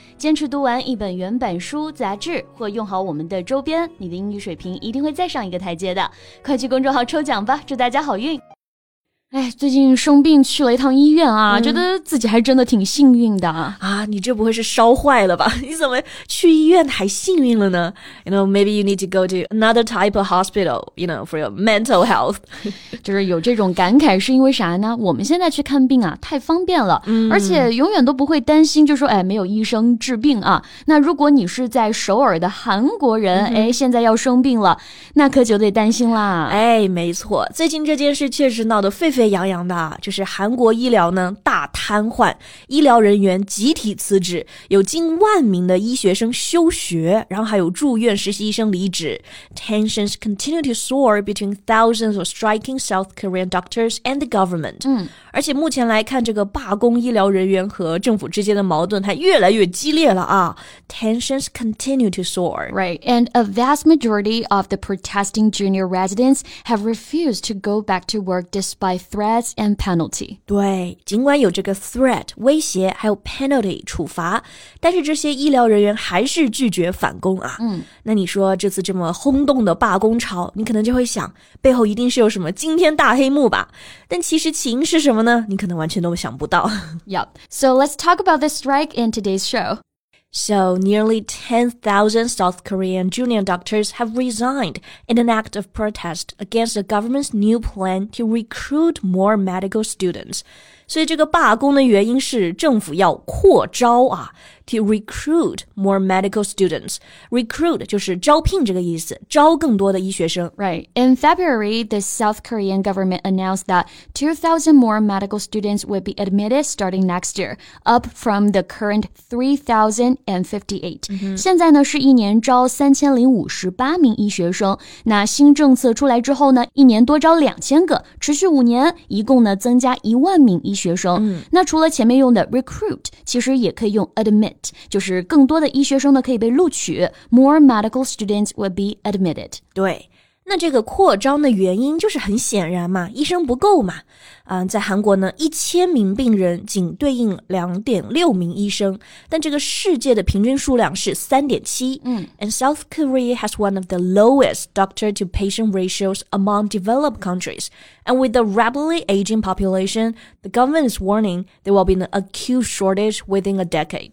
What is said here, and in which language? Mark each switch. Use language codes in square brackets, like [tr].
[zh] 坚持读完一本原版书、杂志或用好我们的周边，你的英语水平一定会再上一个台阶的。快去公众号抽奖吧，祝大家好运。哎，最近生病去了一趟医院啊，觉得自己还真的挺幸运的啊。你这不会是烧坏了吧？你怎么去医院还幸运了呢？ [en] You know, maybe you need to go to another type of hospital, you know, for your mental health. [zh] 就是有这种感慨是因为啥呢？我们现在去看病啊，太方便了，而且永远都不会担心，就说哎，没有医生治病啊。那如果你是在首尔的韩国人，哎，现在要生病了，那可就得担心啦。哎，没错，最近这件事确实闹得沸沸扬扬的，就是韩国医疗呢大瘫痪，医疗人员集体辞职，有近万名的医学生休学，然后还有住院实习医生离职。 [en] Tensions continue to soar between thousands of striking South Korean doctors and the government. [zh] 而且目前来看，这个罢工医疗人员和政府之间的矛盾还越来越激烈了啊。 [en] Tensions continue to soar. Right, and a vast majority of the protesting junior residents have refused to go back to work despite threats and penalty. [zh] 对，尽管有这个 threat, 威胁还有 penalty, 处罚，但是这些医疗人员还是拒绝返工啊。那你说这次这么轰动的罢工潮，你可能就会想，背后一定是有什么惊天大黑幕吧。但其实起因是什么呢？你可能完全都想不到。 [en] Yep. So let's talk about the strike in today's show. So, nearly 10,000 South Korean junior doctors have resigned in an act of protest against the government's new plan to recruit more medical students. [zh] 所以这个罢工的原因是政府要扩招啊。 [en] To recruit more medical students. [zh] Recruit 就是招聘这个意思，招更多的医学生。 [en] Right. In February, the South Korean government announced that 2,000 more medical students would be admitted starting next year, up from the current 3,058. [zh] 现在呢是一年招3,058名医学生。那新政策出来之后呢，一年多招2,000个，持续五年，一共呢增加10,000名医学生。那除了前面用的 recruit, 其实也可以用 admit. 就是更多的医学生呢可以被录取 , [en] more medical students will be admitted. [zh] 对。那这个扩张的原因就是很显然嘛，医生不够嘛。在韩国呢 ,1000 名病人仅对应 2.6 名医生，但这个世界的平均数量是 3.7。 [en] And South Korea has one of the lowest doctor to patient ratios among developed countries. And with the rapidly aging population, the government is warning there will be an acute shortage within a decade.